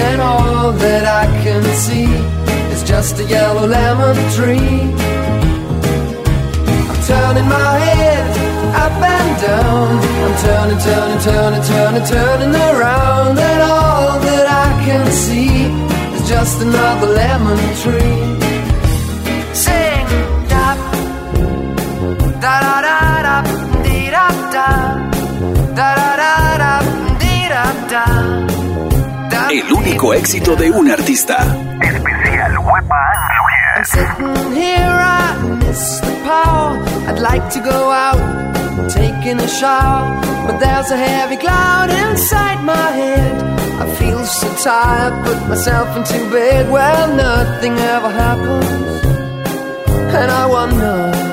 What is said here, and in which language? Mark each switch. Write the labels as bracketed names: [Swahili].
[English] And all that I can see is just a yellow lemon tree. I'm turning my head up and down. I'm turning, turning, turning, turning, turning around. And all that I can see is just another lemon tree. Sing, da, da, da, da, da, da, da, da, da, da, da, da. [Spanish] El único éxito de un artista. Especial Huepa Anglo Hits. [English] I'm sitting here, I miss the power. I'd like to go out, taking a shower. But there's a heavy cloud inside my head. I feels so tired. Put myself into bed. Well, nothing ever happens, and I wonder.